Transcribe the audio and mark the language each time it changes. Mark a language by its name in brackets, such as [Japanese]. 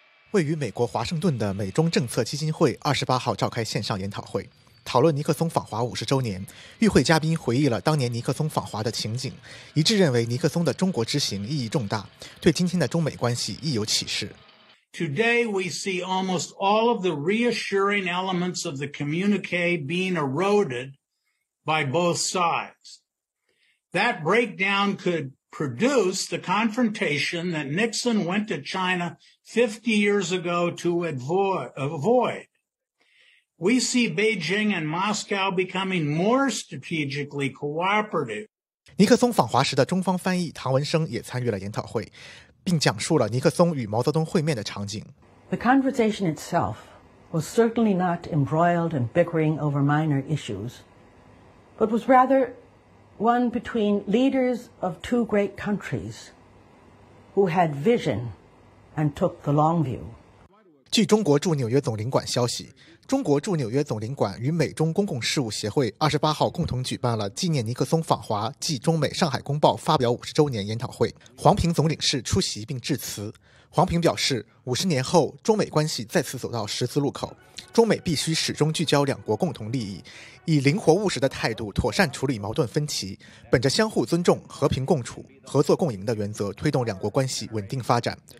[Chinese] 位于美国华盛顿的美中政策基金会28号召开线上研讨会，讨论尼克松访华50周年，与会嘉宾回忆了当年尼克松访华的情景，一致认为尼克松的中国之行意义重大，对今天的中美关系亦有启示。 [English] Today we see almost all of the reassuring elements of the communique being eroded by both sides. That breakdown could produce the confrontation that Nixon went to China 50 years ago to avoid. We see Beijing and Moscow becoming more strategically cooperative. [Chinese] 尼克松访华时的中方翻译唐文生也参与了研讨会，并讲述了尼克松与毛泽东会面的场景。 [English] The conversation itself was certainly not embroiled in bickering over minor issues, but was rather one between leaders of two great countries who had vision and took the long view. [Chinese] 据中国驻纽约总领馆消息，中国驻纽约总领馆与美中公共事务协会28号共同举办了纪念尼克松访华暨中美上海公报发表50周年研讨会，黄平总领事出席并致辞。黄平表示，50年后中美关系再次走到十字路口，中美必须始终聚焦两国共同利益，以灵活务实的态度妥善处理矛盾分歧，本着相互尊重、和平共处、合作共赢的原则，推动两国关系稳定发展。